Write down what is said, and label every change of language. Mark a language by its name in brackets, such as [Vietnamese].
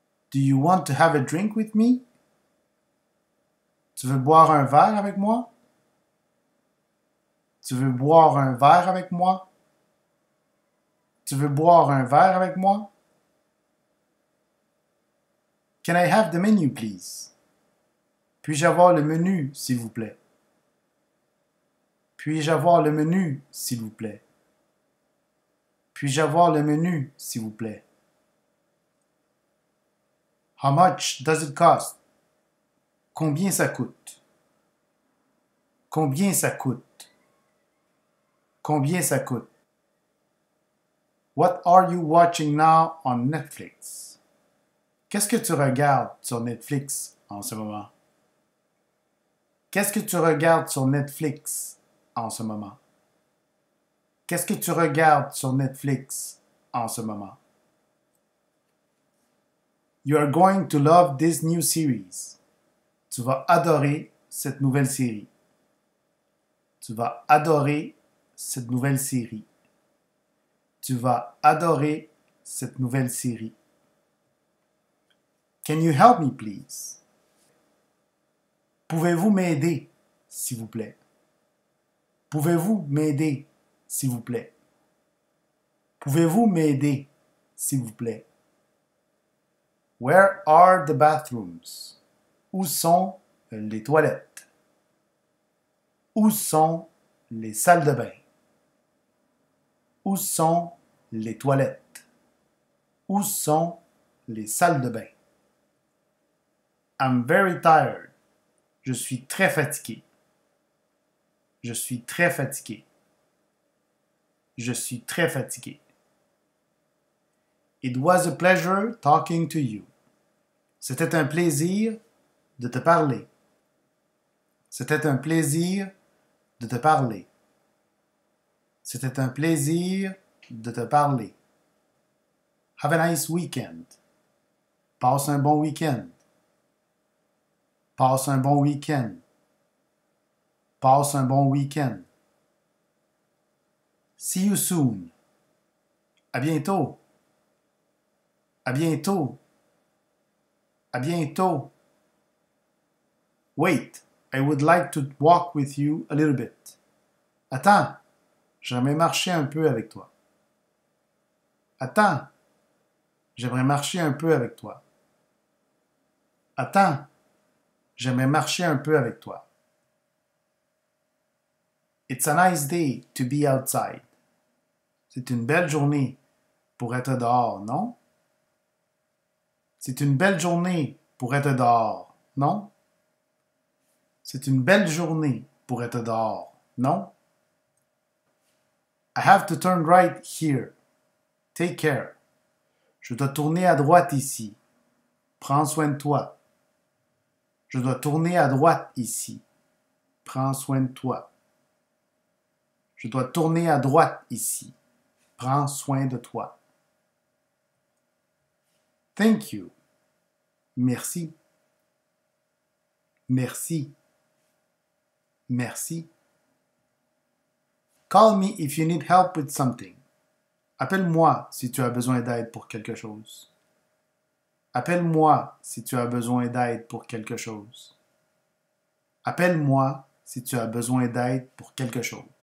[English] Do you want to have a drink with me? [French] Tu veux boire un verre avec moi? Tu veux boire un verre avec moi? Tu veux boire un verre avec moi? [English] Can I have the menu, please? [French] Puis-je avoir le menu, s'il vous plaît? Puis-je avoir le menu, s'il vous plaît? Puis-je avoir le menu, s'il vous plaît? [English] How much does it cost? [French] Combien ça coûte? Combien ça coûte? Combien ça coûte? [English] What are you watching now on Netflix? [French] Qu'est-ce que tu regardes sur Netflix en ce moment? Qu'est-ce que tu regardes sur Netflix en ce moment? Qu'est-ce que tu regardes sur Netflix en ce moment? [English] You are going to love this new series. [French] Tu vas adorer cette nouvelle série. Tu vas adorer cette nouvelle série. Tu vas adorer cette nouvelle série. [English] Can you help me, please? [French] Pouvez-vous m'aider, s'il vous plaît? Pouvez-vous m'aider, s'il vous plaît? Pouvez-vous m'aider, s'il vous plaît? [English] Where are the bathrooms? [French] Où sont les toilettes? Où sont les salles de bain? Où sont les toilettes? Où sont les salles de bain? [English] I'm very tired. [French] Je suis très fatigué. Je suis très fatigué. Je suis très fatigué. [English] It was a pleasure talking to you. [French] C'était un plaisir de te parler. C'était un plaisir de te parler. C'était un plaisir de te parler. [English] Have a nice weekend. [French] Passe un bon week-end. Passe un bon week-end. Passe un bon week-end. [English] See you soon. [French] À bientôt. À bientôt. À bientôt. [English] Wait, I would like to walk with you a little bit. [French] Attends, j'aimerais marcher un peu avec toi. Attends, j'aimerais marcher un peu avec toi. Attends, j'aimerais marcher un peu avec toi. [English] It's a nice day to be outside. [French] C'est une belle journée pour être dehors, non? C'est une belle journée pour être dehors, non? C'est une belle journée pour être dehors, non? [English] I have to turn right here. Take care. [French] Je dois tourner à droite ici. Prends soin de toi. Je dois tourner à droite ici. Prends soin de toi. Je dois tourner à droite ici. Prends soin de toi. [English] Thank you. [French] Merci. Merci. Merci. [English] Call me if you need help with something. [French] Appelle-moi si tu as besoin d'aide pour quelque chose. Appelle-moi si tu as besoin d'aide pour quelque chose. Appelle-moi si tu as besoin d'aide pour quelque chose.